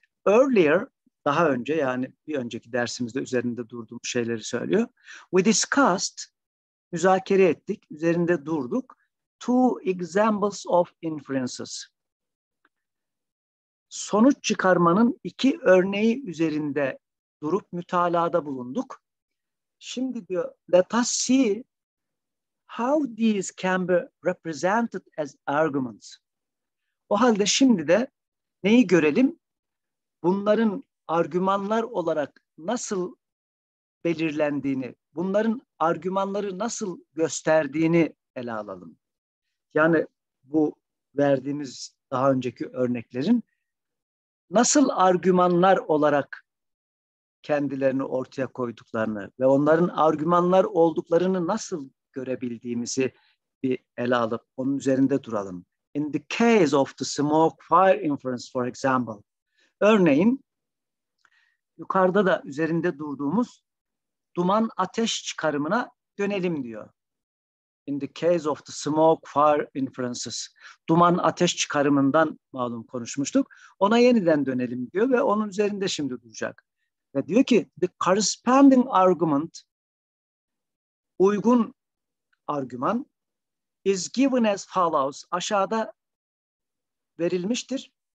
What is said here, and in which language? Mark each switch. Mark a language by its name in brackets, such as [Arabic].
[Turkish] Earlier, daha önce yani bir önceki dersimizde üzerinde durduğum şeyleri söylüyor. [English] We discussed, [Turkish] müzakere ettik, üzerinde durduk. [English] Two examples of inferences. [Turkish] Sonuç çıkarmanın iki örneği üzerinde durup mütalada bulunduk. Şimdi diyor, [English] let us see how these can be represented as arguments. [Turkish] O halde şimdi de neyi görelim? Bunların argümanlar olarak nasıl belirlendiğini, bunların argümanları nasıl gösterdiğini ele alalım. Yani bu verdiğimiz daha önceki örneklerin nasıl argümanlar olarak kendilerini ortaya koyduklarını ve onların argümanlar olduklarını nasıl görebildiğimizi bir ele alıp onun üzerinde duralım. [English] In the case of the smoke fire inference, for example. [Turkish] Örneğin, yukarıda da üzerinde durduğumuz duman ateş çıkarımına dönelim diyor. [English] In the case of the smoke fire inferences. [Turkish] Duman ateş çıkarımından malum konuşmuştuk. Ona yeniden dönelim diyor ve onun üzerinde şimdi duracak. Ve diyor ki, [English] the corresponding argument, [Turkish] uygun argüman, [English] is given as follows. [Turkish] Aşağıda verilmiştir.